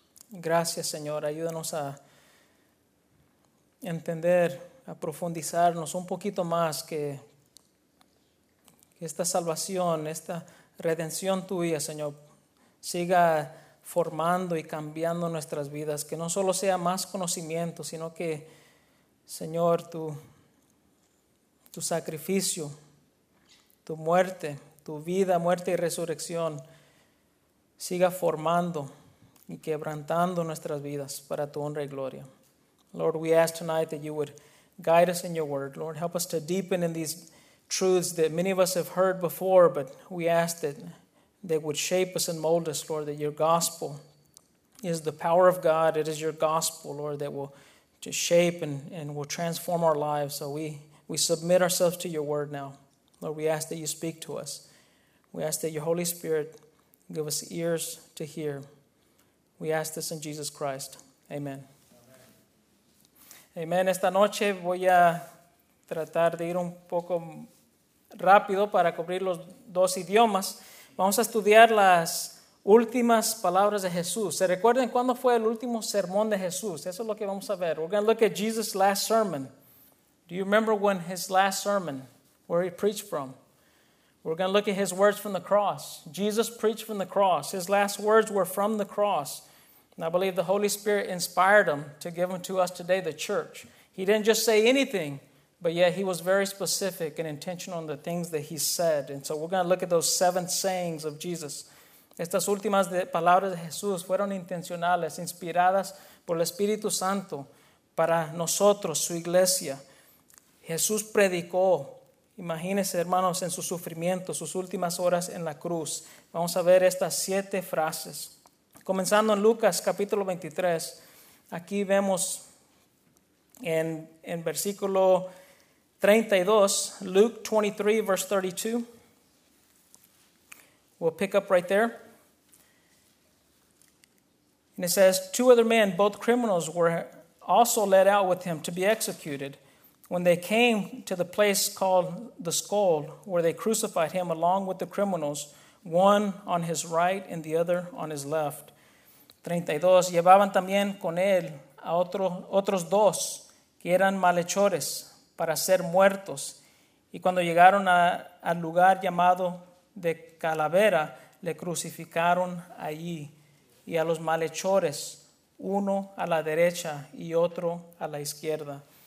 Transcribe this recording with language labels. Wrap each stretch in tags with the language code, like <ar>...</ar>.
<es>Gracias, Señor, ayúdanos a entender, a profundizarnos un poquito más que esta salvación, esta redención tuya, Señor, siga formando y cambiando nuestras vidas, que no solo sea más conocimiento, sino que, Señor, tu sacrificio, tu muerte, tu vida, muerte y resurrección, siga formando y quebrantando nuestras vidas para tu honra y gloria.</es> <en>Lord, we ask tonight that you would guide us in your word. Lord, help us to deepen in these truths that many of us have heard before, but we ask that they would shape us and mold us, Lord, that your gospel is the power of God. It is your gospel, Lord, that will just shape and will transform our lives. So we submit ourselves to your word now. Lord, we ask that you speak to us. We ask that your Holy Spirit give us ears to hear. We ask this in Jesus Christ. Amen. Amén.</en> <es>Esta noche voy a tratar de ir un poco rápido para cubrir los dos idiomas. Vamos a estudiar las últimas palabras de Jesús. ¿Se recuerdan cuándo fue el último sermón de Jesús? Eso es lo que vamos a ver.</es> <en>We're going to look at Jesus' last sermon. Do you remember when his last sermon, where he preached from? We're going to look at his words from the cross. Jesus preached from the cross. His last words were from the cross. And I believe the Holy Spirit inspired him to give them to us today, the church. He didn't just say anything, but yet he was very specific and intentional in the things that he said. And so we're going to look at those seven sayings of Jesus.</en> <es>Estas últimas palabras de Jesús fueron intencionales, inspiradas por el Espíritu Santo para nosotros, su iglesia. Jesús predicó, imagínense, hermanos, en su sufrimiento, sus últimas horas en la cruz. Vamos a ver estas siete frases. Comenzando en Lucas capítulo 23, aquí vemos en versículo 32,</es> <en>Luke 23, verse 32. We'll pick up right there. And it says, two other men, both criminals, were also led out with him to be executed. When they came to the place called the Skull, where they crucified him along with the criminals, one on his right and the other on his left.</en> <es>32, llevaban también con él a otros dos que eran malhechores para ser muertos. Y cuando llegaron al lugar llamado de Calavera, le crucificaron allí, y a los malhechores, uno a la derecha y otro a la izquierda.</es>